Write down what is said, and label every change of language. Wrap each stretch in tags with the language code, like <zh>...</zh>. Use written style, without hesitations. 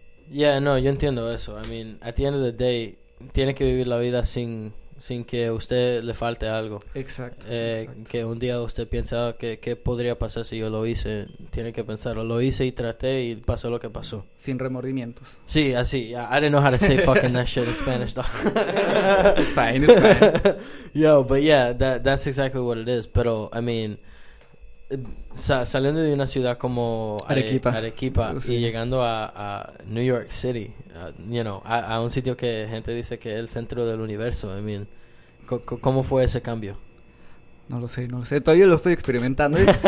<es>Yeah, no, yo entiendo eso.</es> <en>I mean, at the end of the day,</en> <es>tiene que vivir la vida sin sin que usted le falte algo. Exacto. Exacto. Que un día usted piensa, ¿qué podría pasar si yo lo hice? Tiene que pensar, lo hice y traté y pasó lo que pasó. Sin remordimientos. Sí, así.</es> <en>I didn't know how to say fucking that shit in Spanish, though. It's fine, it's fine. Yo, but yeah, that's exactly what it is.</en> <es>Pero, I mean, saliendo de una ciudad como Arequipa sí. Y llegando a New York City, you know, a un sitio que gente dice que es el centro del universo. I mean, ¿cómo fue ese cambio? No lo sé, todavía lo estoy experimentando.</es>